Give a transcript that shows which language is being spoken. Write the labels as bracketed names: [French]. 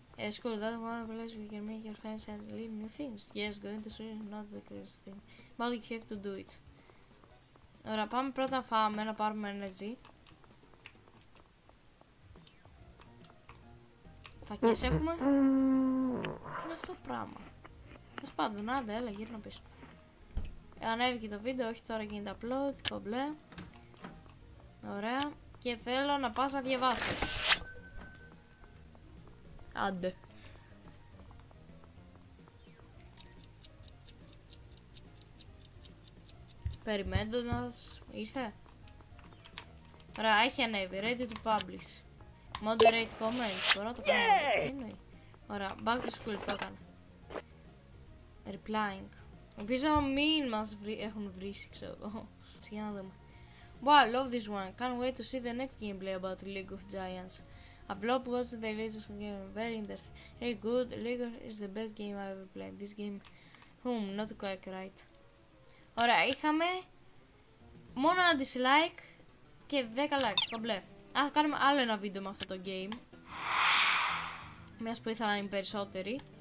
[English] School, that one place we can make your friends and learn new things. Yes, going to school is not the greatest thing. But you have to do it. [Greek] Ωραία, πάμε πρώτα να φάμε, να πάρουμε energy. Φακές έχουμε. Τι είναι αυτό πράγμα. Τέλος πάντων, άντε, έλα, γύρνω πίσω. Ανέβηκε το βίντεο, όχι τώρα γίνεται upload, κομπλέ. Ωραία. Και θέλω να πας να διαβάσεις. Άντε. Περιμένοντας, ήρθε. Ωραία, έχει ανέβει, ready to publish. Moderate comments, μπορώ να το κάνω. Ωραία, back to school, το έκανα. Replying. Ελπίζω μην μας έχουν βρήσει, ξέρω εγώ. [English] Έτσι, για να δούμε. Wow, I love this one. Can't wait to see the next gameplay about League of Giants. A blob was the latest game, very interesting. Very good, League is the best game I've ever played. This game, not quite right. [Greek] Ωραία, είχαμε μόνο ένα dislike και 10 likes, το μπλε. Α, θα κάνουμε άλλο ένα βίντεο με αυτό το game. Μιας που ήθελα να είναι περισσότεροι.